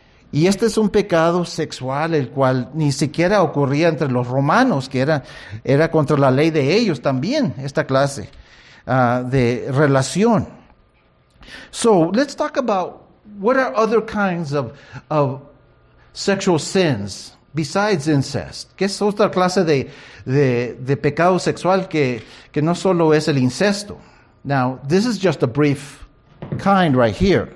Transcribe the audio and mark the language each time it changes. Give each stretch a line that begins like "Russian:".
Spanish: Y este es un pecado sexual, el cual ni siquiera ocurría entre los romanos, que era contra la ley de ellos también, esta clase de relación.
English: So, let's talk about what are other kinds of sexual sins besides incest.
Spanish: ¿Qué es otra clase de pecado sexual que no solo es el incesto?
English: Now, this is just a brief kind right here.